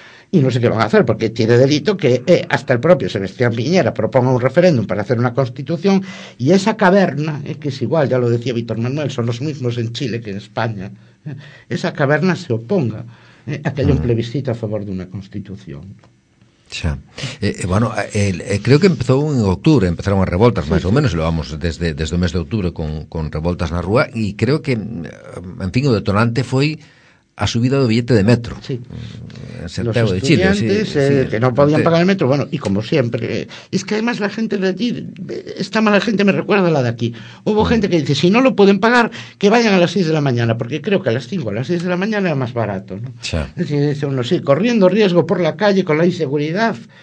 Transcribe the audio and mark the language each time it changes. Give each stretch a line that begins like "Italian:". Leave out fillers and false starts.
Spanish: Y no sé qué van a hacer, porque tiene delito que hasta el propio Sebastián Piñera proponga un referéndum para hacer una constitución, y esa caverna, que es igual, ya lo decía Víctor Manuel, son los mismos en Chile que en España, esa caverna se oponga a que haya un plebiscito a favor de una constitución.
Galician: Xa. Creo que empezou en octubre, empezaron as revoltas, sí, máis ou menos, levamos desde o mes de octubre con revoltas na rúa, e creo que, en fin, o detonante foi a subida do billete de metro. Sí.
Spanish: Los estudiantes de Chile, que no podían pagar el metro, bueno, y como siempre, es que además la gente de allí, esta mala gente me recuerda a la de aquí. Hubo gente que dice, si no lo pueden pagar, que vayan a las 6 de la mañana, porque creo que a las 5, a las 6 de la mañana era más barato, ¿no? Sí. Es decir, uno, sí, corriendo riesgo por la calle con la inseguridad.